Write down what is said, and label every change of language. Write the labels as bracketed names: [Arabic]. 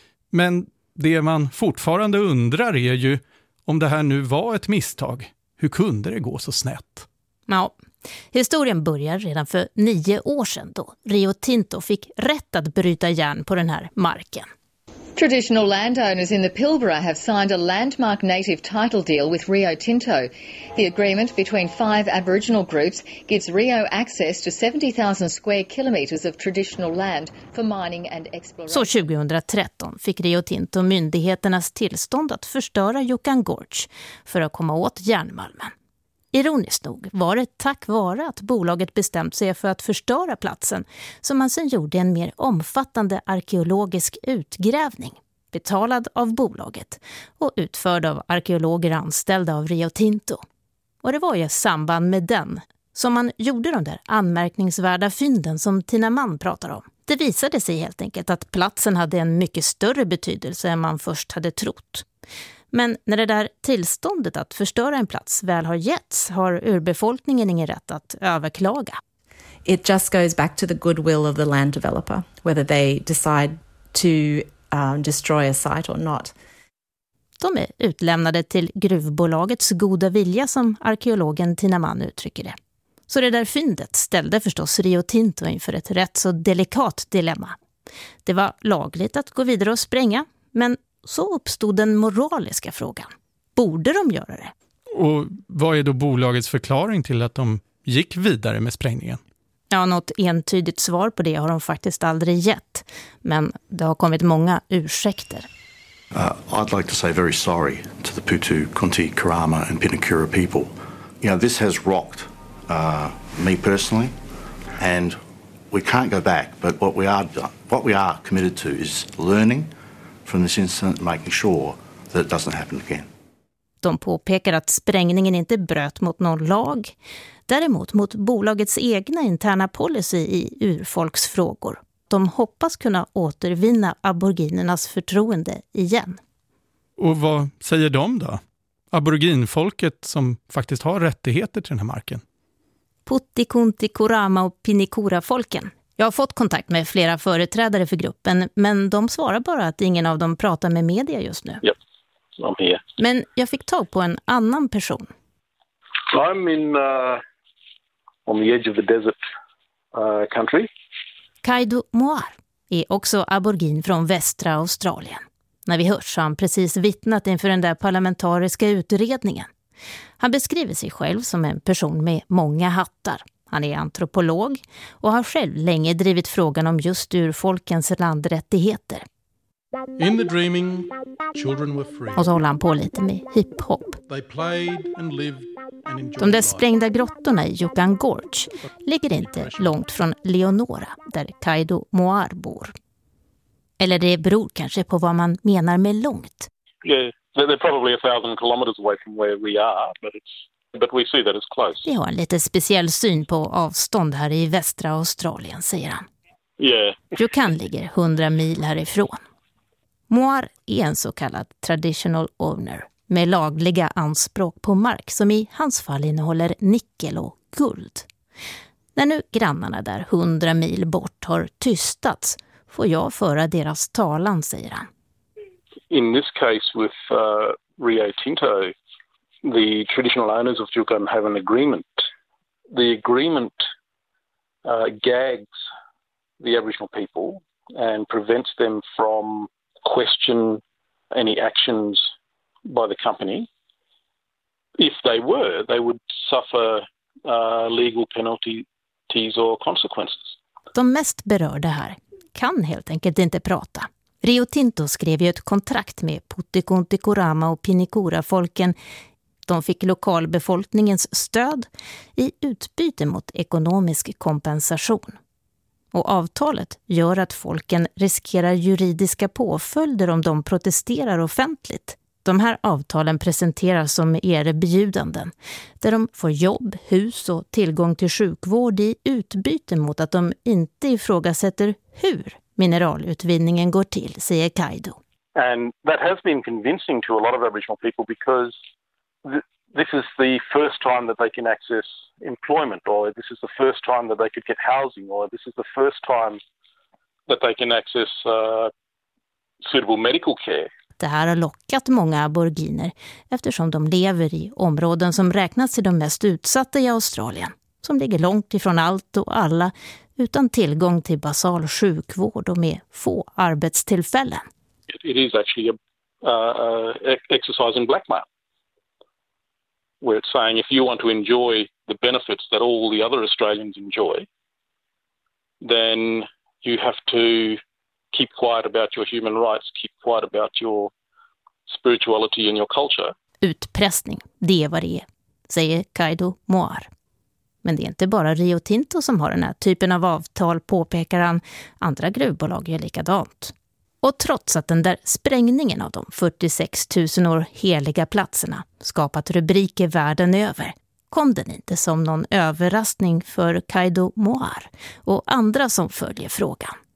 [Swedish] Men det man fortfarande undrar är ju om det här nu var ett misstag. Hur kunde det gå så snett? Ja, Historien börjar redan för 9 år sedan då Rio Tinto fick rätt att bryta järn på den här marken. [English] Traditional landowners in the Pilbara have signed a landmark native title deal with Rio Tinto. The agreement between 5 Aboriginal groups gives Rio access to 70,000 square kilometers of traditional land for mining and exploration. [Swedish] Så 2013 fick Rio Tinto myndigheternas tillstånd att förstöra Juukan Gorge för att komma åt järnmalmen. Ironiskt nog var det tack vare att bolaget bestämt sig för att förstöra platsen som man sen gjorde en mer omfattande arkeologisk utgrävning, betalad av bolaget och utförd av arkeologer anställda av Rio Tinto. Och det var ju samband med den som man gjorde de där anmärkningsvärda fynden som Tina Mann pratar om. Det visade sig helt enkelt att platsen hade en mycket större betydelse än man först hade trott. Men när det där tillståndet att förstöra en plats väl har getts har urbefolkningen ingen rätt att överklaga. [English] It just goes back to the goodwill of the land developer, whether they decide to destroy a site or not. [Swedish] De är utlämnade till gruvbolagets goda vilja som arkeologen Tina Mann uttrycker det. Så det där fyndet ställde förstås Rio Tinto inför ett rätt så delikat dilemma. Det var lagligt att gå vidare och spränga, men så uppstod den moraliska frågan. Borde de göra det? Och vad är då bolagets förklaring till att de gick vidare med sprängningen? Ja, något entydigt svar på det har de faktiskt aldrig gett. Men det har kommit många ursäkter. [English] I'd like to say very sorry to the Puutu Kunti Kurrama and Pinikura people. You know, this has rocked me personally. And we can't go back, but what we are committed to is learning from this incident, making sure that it doesn't happen again. [Swedish] De påpekar att sprängningen inte bröt mot någon lag, däremot mot bolagets egna interna policy i urfolksfrågor. De hoppas kunna återvinna aboriginernas förtroende igen. Och vad säger de då? Aboriginfolket som faktiskt har rättigheter till den här marken. Puutu Kunti Kurrama och Pinikura-folken. Jag har fått kontakt med flera företrädare för gruppen, men de svarar bara att ingen av dem pratar med media just nu. Ja, yep. De är. Men jag fick tag på en annan person. [English] I'm in on the edge of the desert country. [Swedish] Kaidu Moar är också aborigin från västra Australien. När vi hörs har han precis vittnat inför den där parlamentariska utredningen. Han beskriver sig själv som en person med många hattar. Han är antropolog och har själv länge drivit frågan om just urfolkens landrättigheter. [English] In the dreaming, children were free. [Swedish] Och så håller han på lite med hiphop. [English] They played and lived and enjoyed life. [Swedish] De där sprängda grottorna i Juukan Gorge ligger inte långt från Leonora, där Kaidu Moar bor. Eller det beror kanske på vad man menar med långt. [English] Yeah, they're probably 1,000 kilometers away from where we are, but it's... But we see that it's close. [Swedish] Vi har en lite speciell syn på avstånd här i västra Australien, säger han. [English] Yeah. [Swedish] Juukan ligger 100 mil härifrån. Moar är en så kallad traditional owner med lagliga anspråk på mark som i hans fall innehåller nickel och guld. När nu grannarna där 100 mil bort har tystats får jag föra deras talan, säger han. [English] In this case with Rio Tinto, the traditional owners of Juukan have an agreement. The agreement gags the Aboriginal people and prevents them from question any actions by the company. If they were, they would suffer legal penalties or consequences. [Swedish] De mest berörda här kan helt enkelt inte prata. Rio Tinto skrev ju ett kontrakt med Puutu Kunti Kurrama och Pinikura-folken. De fick lokalbefolkningens stöd i utbyte mot ekonomisk kompensation. Och avtalet gör att folken riskerar juridiska påföljder om de protesterar offentligt. De här avtalen presenteras som erbjudanden, där de får jobb, hus och tillgång till sjukvård i utbyte mot att de inte ifrågasätter hur mineralutvinningen går till, säger Kaidu. [English] And that has been convincing to a lot of Aboriginal people because this is the first time that they can access employment, or this is the first time that they could get housing, or this is the first time that they can access suitable medical care. [Swedish] Det här har lockat många aboriginer eftersom de lever i områden som räknas till de mest utsatta i Australien. som ligger långt ifrån allt och alla, utan tillgång till basal sjukvård och med få arbetstillfällen. [English] It is actually an exercise in blackmail, where it's saying if you want to enjoy the benefits that all the other Australians enjoy, then you have to keep quiet about your human rights, keep quiet about your spirituality and your culture. [Swedish] Utpressning, det är vad det är, säger Kaido Moir. Men det är inte bara Rio Tinto som har den här typen av avtal, påpekar han. Andra gruvbolag gör likadant. Och trots att den där sprängningen av de 46 000 år heliga platserna skapat rubriker världen över, kom den inte som någon överraskning för Kaido Moir och andra som följer frågan.